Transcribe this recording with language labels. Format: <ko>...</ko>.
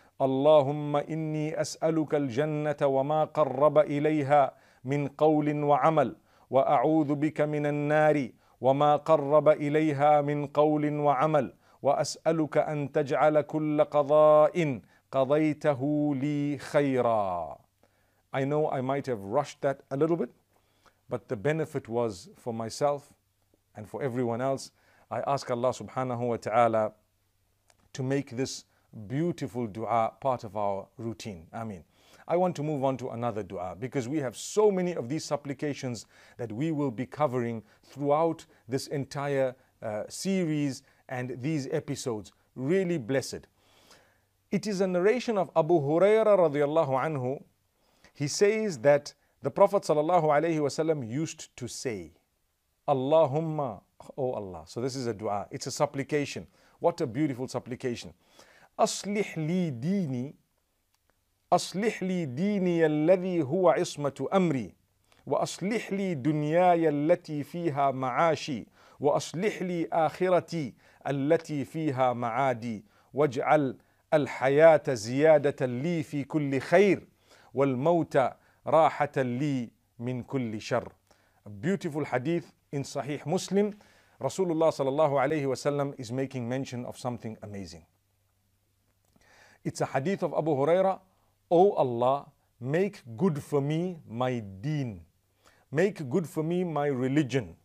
<ar>اللهم إني أسألك الجنة وما قرب إليها من قول وعمل، وأعوذ بك من النار وما قرب إليها من قول وعمل، وأسألك أن تجعل كل قضاء قضيته لي خيرا.</ar> <en>I know I might have rushed that a little bit, but the benefit was for myself and for everyone else. I ask Allah subhanahu wa ta'ala to make this beautiful dua part of our routine. Ameen. I want to move on to another dua because we have so many of these supplications that we will be covering throughout this entire series and these episodes. Really blessed. It is a narration of Abu Huraira radiallahu anhu. He says that the Prophet sallallahu alayhi wa sallam used to say, Allahumma, oh Allah. So this is a dua. It's a supplication. What a beautiful supplication.</en> <ar>Aslih li dini. أصلح لي ديني الذي هو عصمة أمري، وأصلح لي دنياي التي فيها معاشي، وأصلح لي آخرتي التي فيها معادي، واجعل الحياة زيادة لي في كل خير، والموت راحة لي من كل شر.</ar> <en>A beautiful hadith in Sahih Muslim. Rasulullah sallallahu alayhi wa sallam is making mention of something amazing. It's a hadith of Abu Huraira. O Allah, make good for me my deen. Make good for me my religion.</en>